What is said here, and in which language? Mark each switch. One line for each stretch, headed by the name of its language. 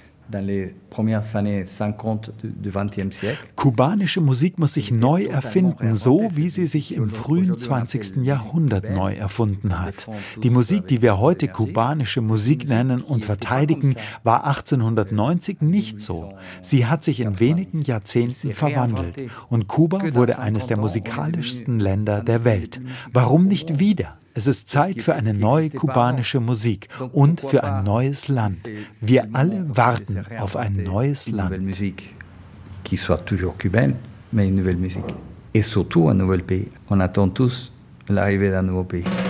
French: Dans les premières années 50 du 20e siècle.
German: Kubanische Musik muss sich neu erfinden, so wie sie sich im frühen 20. Jahrhundert neu erfunden hat. Die Musik, die wir heute kubanische Musik nennen und verteidigen, war 1890 nicht so. Sie hat sich in wenigen Jahrzehnten verwandelt und Kuba wurde eines der musikalischsten Länder der Welt. Warum nicht wieder? Es ist Zeit für eine neue kubanische Musik und für ein neues Land. Wir alle warten auf ein neues Land.
French: Qui soit toujours cubaine, mais une nouvelle musique. Et surtout un nouvel pays. On attend tous l'arrivée d'un nouveau pays.